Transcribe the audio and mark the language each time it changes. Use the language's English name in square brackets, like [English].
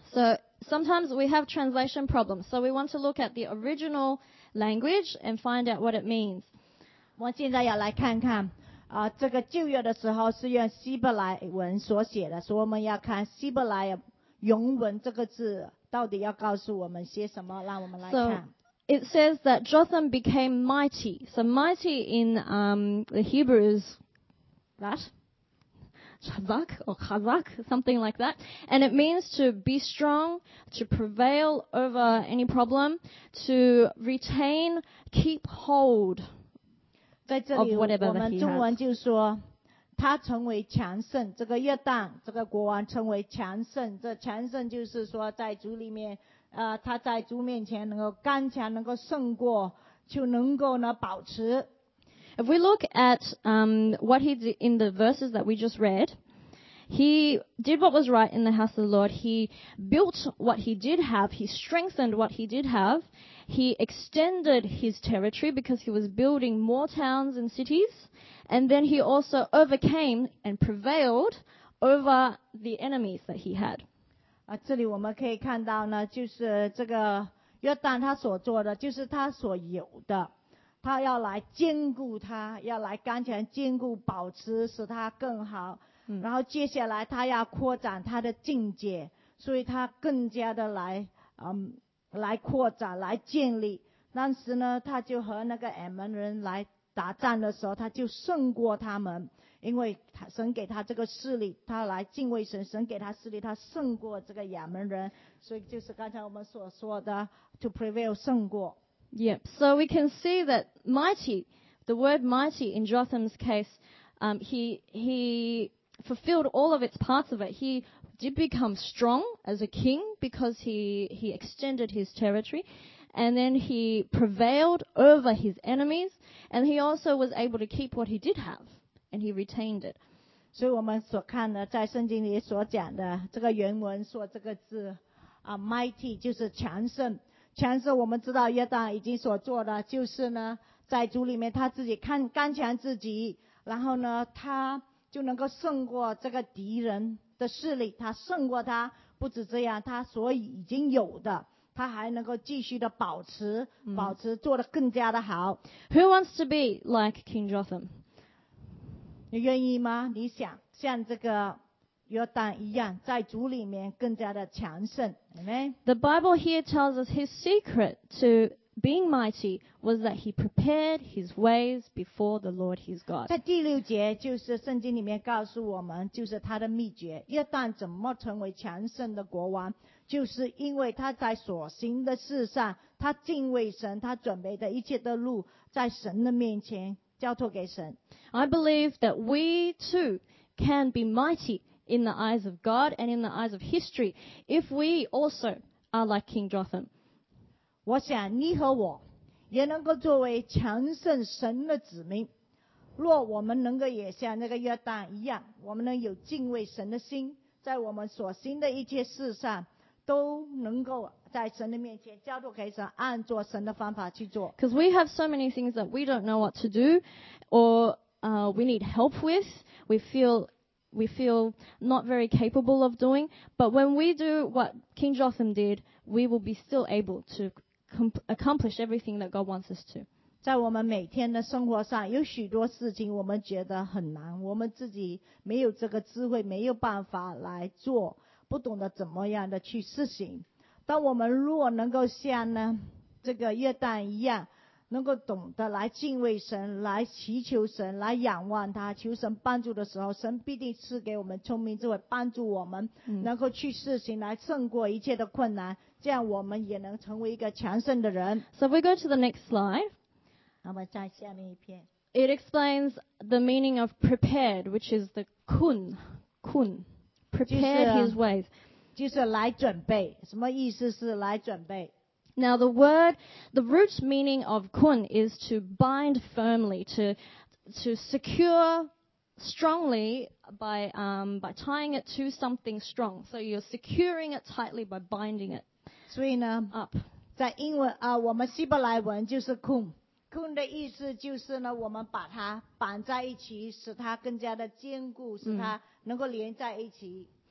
[English] So sometimes we have translation problems. So we want to look at the original language and find out what it means. [Chinese] 我现在要来看看这个旧约的时候是用希伯来文所写的，所以我们要看希伯来原文这个字到底要告诉我们些什么，让我们来看。 [English] It says that Jotham became mighty. So mighty in the Hebrew is that? Chazak or Chazak, something like that. And it means to be strong, to prevail over any problem, to retain, keep hold of whatever that he has. [Chinese] 中文就说他成为强盛，这个约旦，这个国王成为强盛，这强盛就是说在主里面他在主面前能够刚强，能够胜过，就能够呢保持。 [English] If we look at what he did in the verses that we just read, he did what was right in the house of the Lord. He built what he did have. He strengthened what he did have. He extended his territory because he was building more towns and cities. And then he also overcame and prevailed over the enemies that he had. [Chinese] 这里我们可以看到呢，就是这个约旦他所做的，就是他所有的。他要来坚固他，要来刚强坚固保持，使他更好。然后接下来他要扩展他的境界，所以他更加的来，来扩展，来建立。当时呢，他就和那个亚门人来打战的时候，他就胜过他们，因为神给他这个势力，他来敬畏神，神给他势力，他胜过这个亚门人。所以就是刚才我们所说的 ， [English] to prevail [Chinese] 胜过。 [English] Yep, so we can see that mighty, the word mighty in Jotham's case, he fulfilled all of its parts of it. He did become strong as a king because he extended his territory, and then he prevailed over his enemies, and he also was able to keep what he did have, and he retained it. [Chinese] 所以我们所看的，在圣经里所讲的这个原文说这个字啊 ，mighty 就是强盛。强盛，我们知道约旦已经所做的就是呢，在主里面他自己看刚强自己，然后呢，他就能够胜过这个敌人的势力，他胜过他。不止这样，他所已经有的，他还能够继续的保持，保持做得更加的好。 [English] Who wants to be like King Jotham? [Chinese] 你愿意吗？你想像这个？约旦一样，在主里面更加的强盛。 [English] Amen? The Bible here tells us his secret to being mighty was that he prepared his ways before the Lord his God. [Chinese] 在第六节，就是圣经里面告诉我们，就是他的秘诀。约旦怎么成为强盛的国王，就是因为他在所行的事上，他敬畏神，他准备的一切的路，在神的面前交托给神。 [English] I believe that we too can be mighty. In the eyes of God and in the eyes of history, if we also are like King Jotham, [Chinese] 我想你和我也能够作为强盛神的子民。若我们能够也像那个约旦一样，我们能有敬畏神的心，在我们所行的一切事上都能够在神的面前交托给神，按照神的方法去做。 [English] Because we have so many things that we don't know what to do, or we need help with, we feel not very capable of doing, but when we do what King Jotham did, we will be still able to accomplish everything that God wants us to. [Chinese] 在我们每天的生活上，有许多事情我们觉得很难，我们自己没有这个智慧，没有办法来做，不懂得怎么样的去实行。但我们如果能够像呢这个约旦一样，能够懂得来敬畏神，来祈求神，来仰望他，求神帮助的时候，神必定赐给我们聪明智慧，帮助我们能够去实行，来胜过一切的困难，这样我们也能成为一个强盛的人。 [English] So if we go to the next slide. [Chinese] 那么再下面一篇。 [English] It explains the meaning of prepared, which is the kun, kun, prepared his ways. [Chinese] 就是来准备，什么意思是来准备？ [English] Now the word, the root meaning of kun is to bind firmly, to secure strongly by tying it to something strong. So you're securing it tightly by binding it. [Chinese] 所以呢 [English] up. [Chinese] 在英文啊，我们希伯来文就是 kun. Kun 的意思就是呢，我们把它绑在一起，使它更加的坚固，使它能够连在一起。